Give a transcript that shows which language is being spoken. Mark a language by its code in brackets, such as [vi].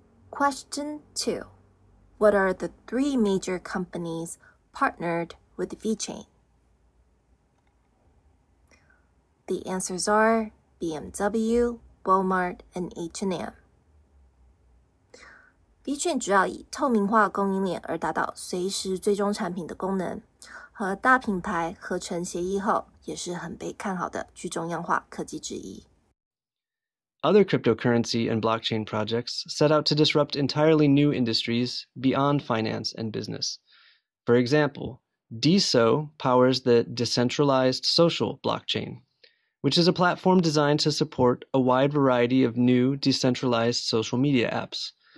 [en] Question 2. What are the three major companies partnered with VeChain? The answers are BMW, Walmart, and H&M. [zh] VeChain 主要以透明化供应链而达到随时追踪产品的功能，和大品牌合成协议后，也是很被看好的去中央化科技之一。 [en] Other cryptocurrency and blockchain projects set out to disrupt entirely new industries beyond finance and business. For example, DeSo powers the decentralized social blockchain, which is a platform designed to support a wide variety of new decentralized social media apps.